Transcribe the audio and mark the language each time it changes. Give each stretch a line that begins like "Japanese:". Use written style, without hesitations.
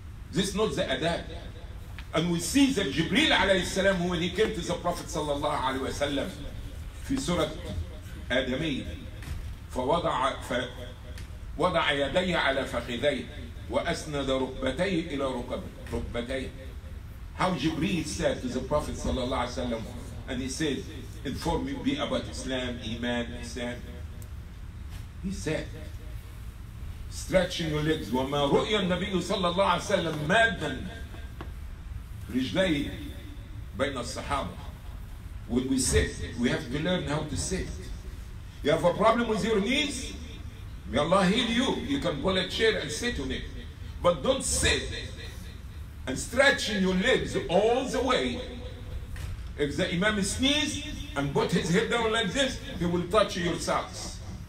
English: This is not the adab. And we see that Jibreel alayhi salam, when he came to the Prophet sallallahu alayhi wa sallam in Surah Adamin,
Arabic: فوضع يدي على فخذي وأسند ركبتي إلى ركبتي.
English: How Jibreel said to the Prophet sallallahu alayhi wa sallam, and he said, inform me about Islam, Iman, Islam. He said, stretching your legs.
Arabic: وما رؤيا النبي صلى الله عليه وسلم مادا رجلي بين الصحابة.
English: When we sit, we have to learn how to sit. You have a problem with your knees? May Allah heal you. You can pull a chair and sit on it. But don't sit and stretch in your legs all the way. If the imam sneezes and put his head down like this, he will touch your socks.